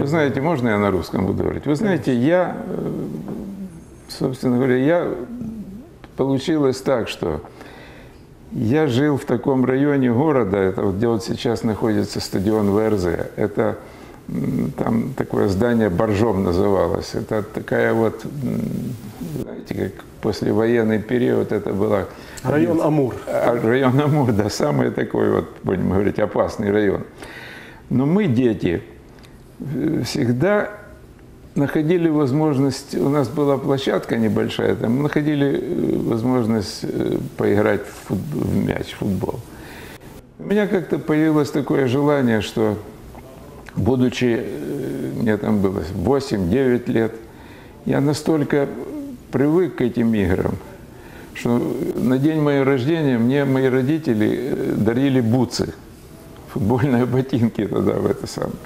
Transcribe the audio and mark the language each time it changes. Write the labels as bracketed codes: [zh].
[uk] Ви знаєте, можна я [ru] на русском [uk] буду говорити? Ви знаєте, я, [ru] собственно говоря, я получилось так, [uk] що я жив в такому районі міста, де от зараз знаходиться стадіон «Верзе». Це там таке здання «Боржом» називалося. Це така от, знаєте, як післявоєнний період, це була… Район Амур. Район Амур, да, самий такий, от, будемо говорити, опасний район. Но ми, діти, завжди знаходили можливість, у нас була площадка небольшая, там ми знаходили можливість поіграти в м'яч, в футбол. У мене якось з'явилось таке бажання, що, будучи, мені там було 8-9 років, я настільки [ru] привык к этим играм, что на день моего рождения мне мои родители дарили бутсы, футбольные ботинки тогда в это самое.